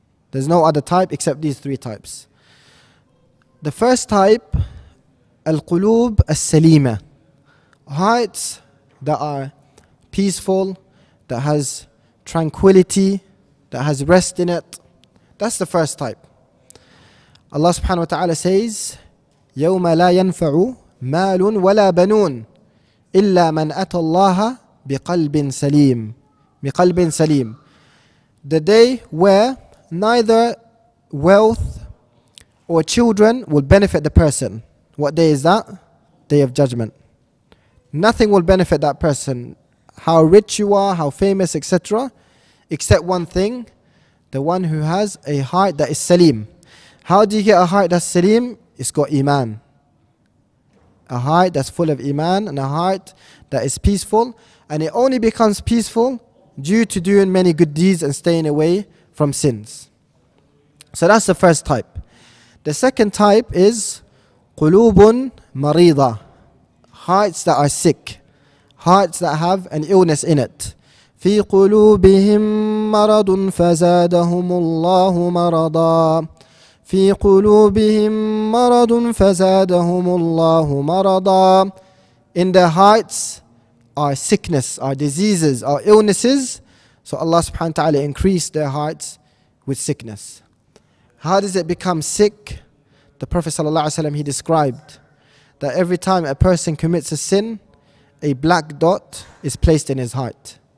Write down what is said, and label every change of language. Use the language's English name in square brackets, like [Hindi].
[English] There's no other type except these three types. The first type, al-qulub al-salima, hearts that are peaceful, that has tranquility, that has rest in it. That's the first type. Allah subhanahu wa ta'ala says, [Arabic] يَوْمَ لَا يَنْفَعُ مَالٌ وَلَا بَنُونَ إِلَّا مَنْ أَتَى اللَّهَ بِقَلْبٍ سَلِيمٍ بِقَلْبٍ سَلِيمٍ. [English] The day where neither wealth or children will benefit the person. What day is that? Day of judgment. Nothing will benefit that person. How rich you are, how famous, etc. Except one thing, the one who has a heart that is salim. How do you get a heart that's salim? It's got iman. A heart that's full of iman and a heart that is peaceful. And it only becomes peaceful due to doing many good deeds and staying away from sins. So that's the first type. The second type is qulubun marida, hearts that are sick, hearts that have an illness in it. [Arabic] في قلوبهم مرض فزادهم الله مرضا. في قلوبهم مرض فزادهم الله مرضا. [English] In their hearts are sickness, are diseases, are illnesses. So Allah subhanahu wa ta'ala increased their hearts with sickness. How does it become sick? The Prophet sallallahu alaihi wasallam, he described that every time a person commits a sin, a black dot is placed in his heart.